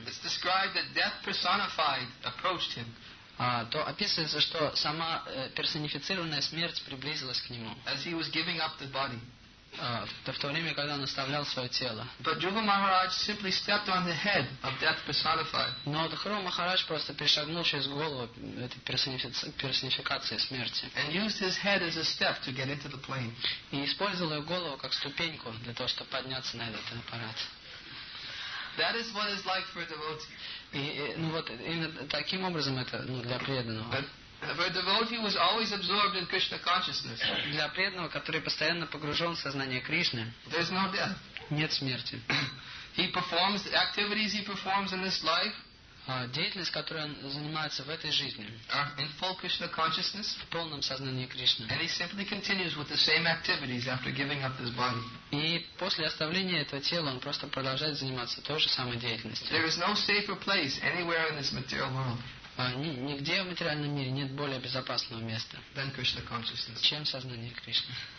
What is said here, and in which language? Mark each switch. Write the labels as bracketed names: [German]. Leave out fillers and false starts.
[English] it's described that death personified approached him. [Russian] То описывается, что сама персонифицированная смерть приблизилась к нему. [English] As he was giving up the body. [Russian] В то время, когда он оставлял свое тело. [English] But Dhruva Maharaj simply stepped on the head of death personified. [Russian] Но Дхрува Махарадж просто перешагнул через голову этой персонификации смерти. [English] And used his head as a step to get into the plane. [Russian] И использовал его голову как ступеньку для того, чтобы подняться на этот аппарат. [English] That is what it's like for a devotee. [Russian] Именно таким образом это для преданного. [English] For a devotee was always absorbed in Krishna consciousness. [Russian] Для преданного, который постоянно погружен в сознание Кришны, [English] there is no death. [Russian] Нет смерти. [English] He performs the activities he performs in this life. [Russian] Деятельность, которой он занимается в этой жизни, [English] in full Krishna consciousness. [Russian] В полном сознании Кришны. [English] And he simply continues with the same activities after giving up his body. [Russian] И после оставления этого тела он просто продолжает заниматься той же самой деятельностью. [English] There is no safer place anywhere in this material world. [Russian] Нигде в материальном мире нет более безопасного места, чем сознание Кришны.